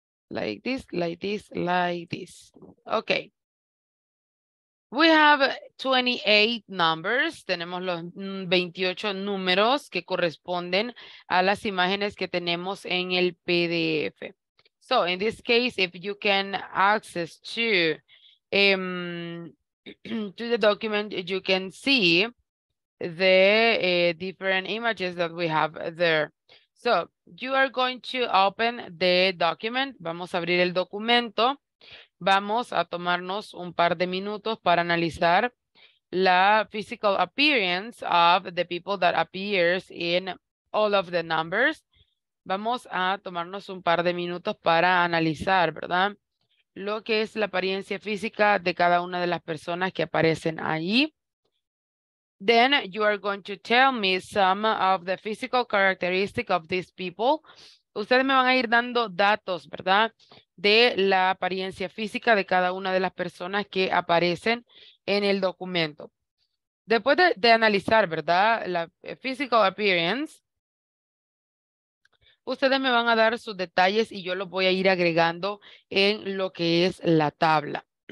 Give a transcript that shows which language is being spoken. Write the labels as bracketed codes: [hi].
[en] like this, like this, like this. Okay. We have 28 numbers. [es] Tenemos los 28 números que corresponden a las imágenes que tenemos en el PDF. [en] So, in this case, if you can access to the document, you can see the different images that we have there. So, you are going to open the document. [es] Vamos a abrir el documento. Vamos a tomarnos un par de minutos para analizar la [en] physical appearance of the people that appears in all of the numbers. [es] Vamos a tomarnos un par de minutos para analizar, ¿verdad? Lo que es la apariencia física de cada una de las personas que aparecen ahí. [en] Then you are going to tell me some of the physical characteristics of these people. [es] Ustedes me van a ir dando datos, ¿verdad? De la apariencia física de cada una de las personas que aparecen en el documento. Después de analizar, ¿verdad? La [en] physical appearance. [es] Ustedes me van a dar sus detalles y yo los voy a ir agregando en lo que es la tabla.